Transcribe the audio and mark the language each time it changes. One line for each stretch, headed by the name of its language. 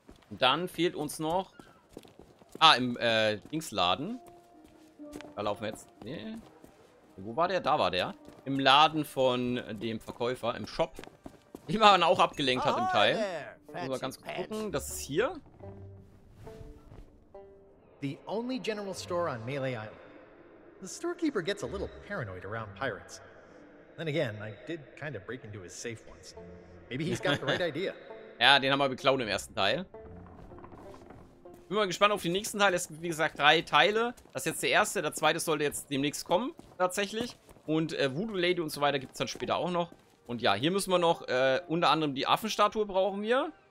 German: Und dann fehlt uns noch... Ah, im Dingsladen. Da laufen wir jetzt... Nee. Wo war der? Da war der. Im Laden von dem Verkäufer, im Shop. Den man auch abgelenkt hat im Teil. Muss mal ganz kurz gucken. Das ist hier.
English: The only general store on Melee Island. The storekeeper gets a little paranoid around pirates. Then again, I did kind of break into his safe once. Maybe he's got the right idea.
German: Ja, den haben wir geklaut im ersten Teil. Bin mal gespannt auf den nächsten Teil. Es gibt, wie gesagt, 3 Teile. Das ist jetzt der erste. Der zweite sollte jetzt demnächst kommen, tatsächlich. Und Voodoo Lady und so weiter gibt es dann später auch noch. Und ja, hier müssen wir noch unter anderem die Affenstatue brauchen wir.